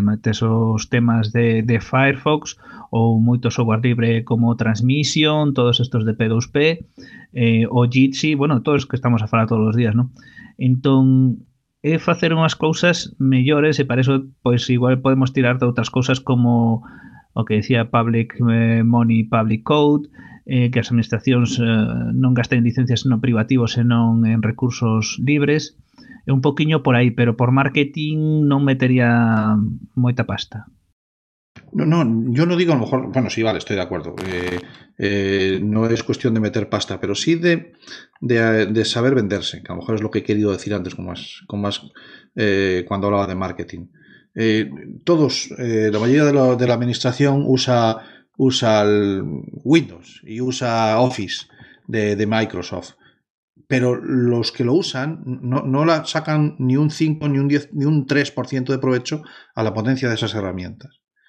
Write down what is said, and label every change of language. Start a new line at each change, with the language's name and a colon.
Spanish: Esos temas de Firefox o mucho software libre como Transmission, todos estos de P2P o Jitsi, bueno, todos los que estamos a hablar todos los días, ¿no? Entonces, es hacer unas cosas mejores y para eso pues igual podemos tirar de otras cosas como
Galician: o que decía Public Money, Public Code, que as administracións non gasten licencias non privativos senón en recursos libres. É un poquinho por aí, pero por marketing non metería moita pasta.
Spanish: Non, yo no digo a lo mejor, bueno, sí, vale, estoy de acuerdo. No es cuestión de meter pasta, pero sí de saber venderse, que a lo mejor es lo que he querido decir antes cuando hablaba de marketing. La mayoría de la administración usa el Windows y usa Office de Microsoft, pero los que lo usan no la sacan ni un 5, ni un 10, ni un 3% de provecho a la potencia de esas herramientas.